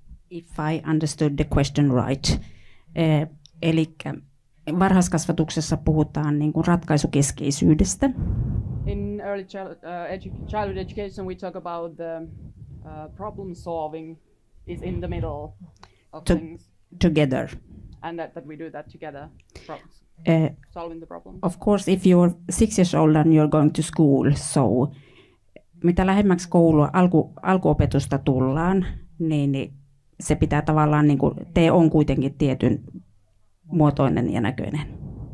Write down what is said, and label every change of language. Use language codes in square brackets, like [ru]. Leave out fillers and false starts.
[en] If I understood the question right, [fi] eli varhaiskasvatuksessa puhutaan niinku ratkaisukeskeisyydestä. [en] In early childhood education, we talk about the problem solving is in the middle of things. Together. And that we do that together, solving the problem. Of course, if you're 6 years old and you're going to school, so [fi] mitä lähemmäksi koulua, alkuopetusta tullaan, niin se pitää tavallaan niin kuin tee on kuitenkin tietyn muotoinen ja näköinen.